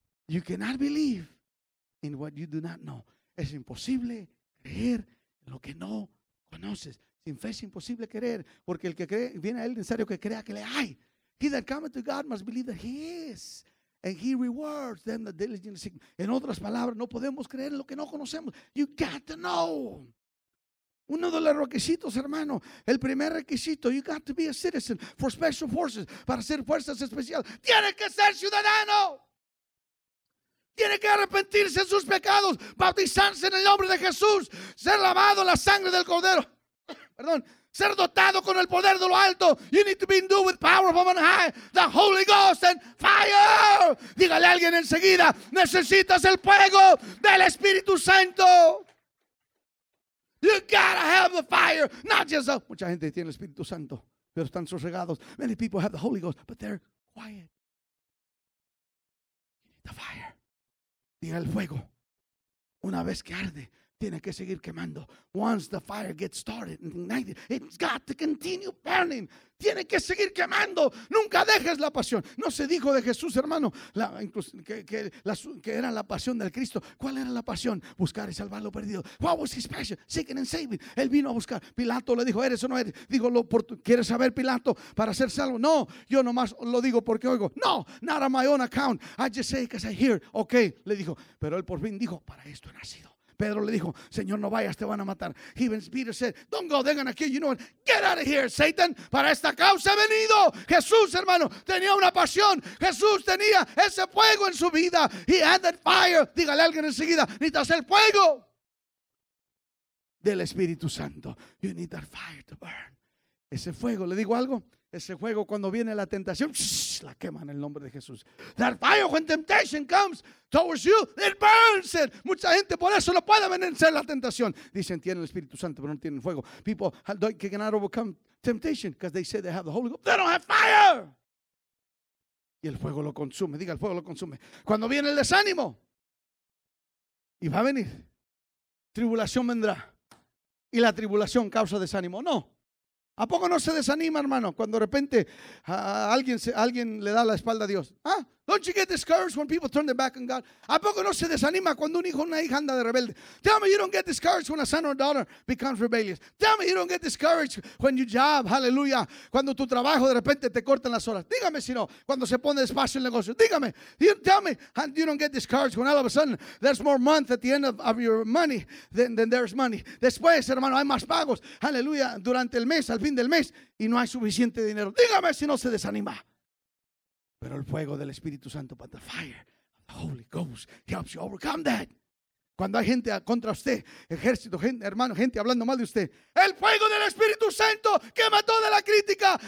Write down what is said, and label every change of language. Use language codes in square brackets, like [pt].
[en] You cannot believe in what you do not know. [es] Es imposible creer lo que no conoces. Sin fe es imposible creer, porque el que cree, viene a él, necesario que crea que le hay. [en] He that cometh to God must believe that he is, and he rewards them that diligently seek. [es] En otras palabras, no podemos creer en lo que no conocemos. [en] You got to know. [es] Uno de los requisitos, hermano, el primer requisito, [en] you got to be a citizen for special forces, [es] para ser fuerzas especiales. Tiene que ser ciudadano. Tiene que arrepentirse de sus pecados, bautizarse en el nombre de Jesús, ser lavado en la sangre del Cordero, perdón, ser dotado con el poder de lo alto. [en] You need to be endued with power from on high, the Holy Ghost and fire. [es] Dígale a alguien enseguida, necesitas el fuego del Espíritu Santo. [en] You gotta have the fire, not just a... [es] Mucha gente tiene el Espíritu Santo, pero están sosegados. [en] Many people have the Holy Ghost, but they're quiet. You need the fire. [es] Diga, el fuego, una vez que arde, tiene que seguir quemando. [en] Once the fire gets started and ignited, it's got to continue burning. [es] Tiene que seguir quemando. Nunca dejes la pasión. No se dijo de Jesús, hermano, que era la pasión del Cristo. ¿Cuál era la pasión? Buscar y salvar lo perdido. [en] What was his passion? Seeking and saving. [es] Él vino a buscar. Pilato le dijo, ¿eres o no eres? Dijo, ¿quieres saber, Pilato, para ser salvo? No, yo nomás lo digo porque oigo. [en] No, not on my own account. I just say because I hear. Okay, [es] le dijo. Pero él por fin dijo, para esto he nacido. Pedro le dijo, Señor, no vayas, te van a matar. [en] Even Peter said, don't go, they're going to kill you. Get out of here, Satan. [es] Para esta causa he venido. Jesús, hermano, tenía una pasión. Jesús tenía ese fuego en su vida. [en] He had that fire. [es] Dígale a alguien enseguida, necesitas el fuego del Espíritu Santo. [en] You need that fire to burn. [es] Ese fuego, le digo algo. Ese fuego, cuando viene la tentación, la quema en el nombre de Jesús. [en] That fire, when temptation comes towards you, it burns it. [es] Mucha gente por eso no puede vencer la tentación. Dicen, tienen el Espíritu Santo, pero no tienen fuego. [en] People cannot overcome temptation because they say they have the Holy Ghost. They don't have fire. [es] Y el fuego lo consume. Diga, el fuego lo consume. Cuando viene el desánimo, y va a venir, tribulación vendrá. Y la tribulación causa desánimo. No. ¿A poco no se desanima, hermano, cuando de repente alguien le da la espalda a Dios? ¿Ah? [en] Don't you get discouraged when people turn their back on God? [es] ¿A poco no se desanima cuando un hijo o una hija anda de rebelde? [en] Tell me you don't get discouraged when a son or daughter becomes rebellious. Tell me you don't get discouraged when your job, hallelujah, [es] cuando tu trabajo de repente te cortan las horas. Dígame si no, cuando se pone despacio el negocio. Dígame, [en] tell me you don't get discouraged when all of a sudden there's more month at the end of your money than there's money. [es] Después, hermano, hay más pagos, hallelujah, durante el mes, al fin del mes, y no hay suficiente dinero. Dígame si no se desanima. Pero el fuego del Espíritu Santo, [en] but the fire of the Holy Ghost helps you overcome that. [es] Cuando hay gente contra usted, ejército, gente, hermano, gente hablando mal de usted, el fuego del Espíritu Santo quema toda la crítica.